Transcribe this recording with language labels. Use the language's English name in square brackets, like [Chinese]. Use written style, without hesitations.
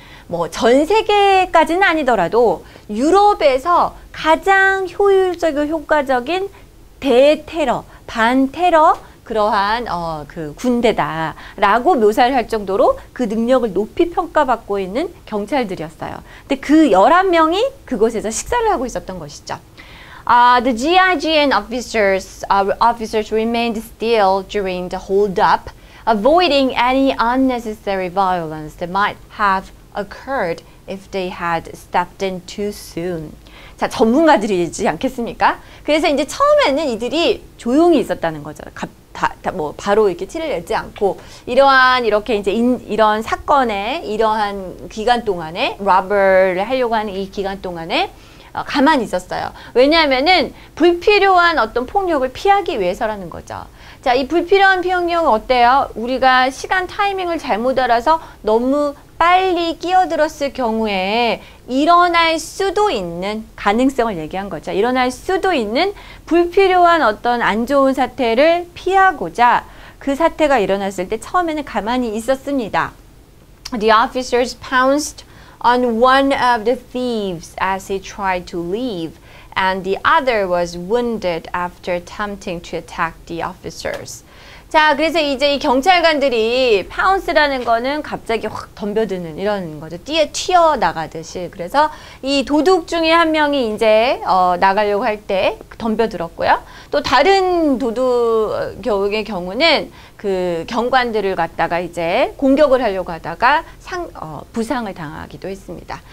[Korean] 뭐 전 세계까지는 아니더라도 유럽에서 가장 효율적이고 효과적인 대테러, 반테러 그러한 그 군대다라고 묘사를 할 정도로 그 능력을 높이 평가받고 있는 경찰들이었어요. 근데 그 11명이 그곳에서 식사를 하고 있었던 것이죠. [English] The GIGN officers remained still during the holdup, avoiding any unnecessary violence that might have occurred if they had stepped in too soon. [Korean] 자, 전문가들이지 않겠습니까? 그래서 이제 처음에는 이들이 조용히 있었다는 거죠. 뭐 바로 이렇게 티를 내지 않고 이러한 이렇게 이제 이런 사건에 이러한 기간 동안에 robber를 하려고 하는 이 기간 동안에 가만히 있었어요. 왜냐하면은 불필요한 어떤 폭력을 피하기 위해서라는 거죠. 자, 이 불필요한 폭력은 어때요? 우리가 시간 타이밍을 잘못 알아서 너무 빨리 끼어들었을 경우에 일어날 수도 있는 가능성을 얘기한 거죠. 일어날 수도 있는 불필요한 어떤 안 좋은 사태를 피하고자 그 사태가 일어났을 때 처음에는 가만히 있었습니다. [English] The officers pounced on one of the thieves as he tried to leave, and the other was wounded after attempting to attack the officers. [Korean] 자, 그래서 이제 이 경찰관들이 파운스라는 거는 갑자기 확 덤벼드는 이런 거죠. 튀어나가듯이. 그래서 이 도둑 중에 한 명이 이제 나가려고 할 때 덤벼들었고요. 또 다른 도둑의 경우는 그 경관들을 갖다가 이제 공격을 하려고 하다가 부상을 당하기도 했습니다.